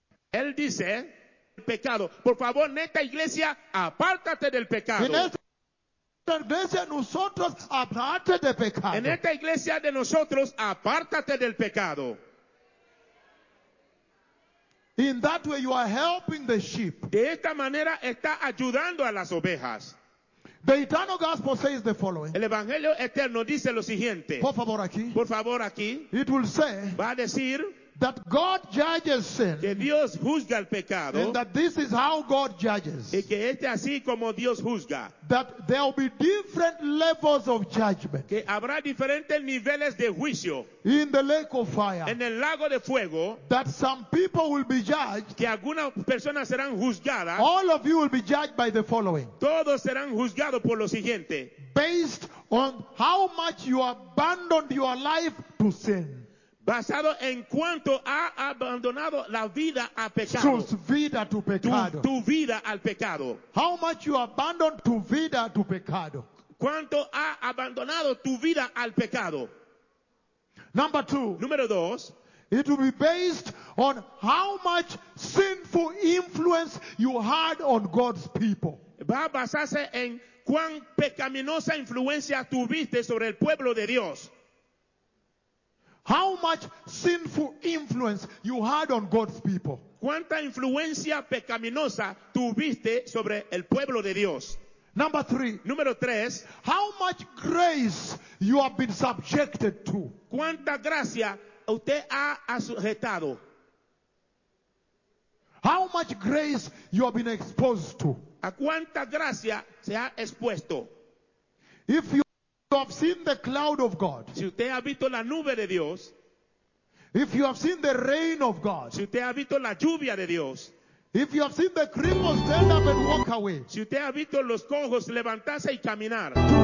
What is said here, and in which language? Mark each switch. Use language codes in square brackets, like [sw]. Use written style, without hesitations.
[es] Él dice, pecado. Por favor, en esta iglesia, apártate del pecado. En esta iglesia de nosotros, apártate del pecado. [en] In that way you are helping the sheep. [es] De esta manera está ayudando a las ovejas. [en] The eternal gospel says the following. [es] El evangelio eterno dice lo siguiente. Por favor aquí. It will say. Va a decir. [en] That God judges sin. [es] Que Dios juzga el pecado. [en] And that this is how God judges. [es] Y que este así como Dios juzga. [en] That there will be different levels of judgment. [es] Que habrá diferentes niveles de juicio. [en] In the lake of fire. [es] En el lago de fuego. [en] That some people will be judged. [es] Que algunas personas serán juzgadas. [en] All of you will be judged by the following. [es] Todos serán juzgados por lo siguiente. [en] Based on how much you abandoned your life to sin. [es] Basado en cuanto ha abandonado la vida a pecado. Su vida tu pecado. Tu vida al pecado. [en] How much you abandoned tu vida tu pecado. [es] Cuánto ha abandonado tu vida al pecado. [en] Number two. [es] Número dos. [en] It will be based on how much sinful influence you had on God's people. [es] Va a basarse en cuán pecaminosa influencia tuviste sobre el pueblo de Dios. [en] How much sinful influence you had on God's people. [es] ¿Cuánta influencia pecaminosa tuviste sobre el pueblo de Dios? [en] Number three. [es] Número tres. [en] How much grace you have been subjected to. [es] ¿Cuánta gracia usted ha sujetado? [en] How much grace you have been exposed to. [es] ¿A cuánta gracia se ha expuesto? [en] If you have seen the cloud of God. [es] Si usted ha visto la nube de Dios. [en] If you have seen the rain of God. [es] Si usted ha visto la lluvia de Dios. [en] If you have seen the cripples stand up and walk away. [es] Si usted ha visto los cojos levantarse y caminar.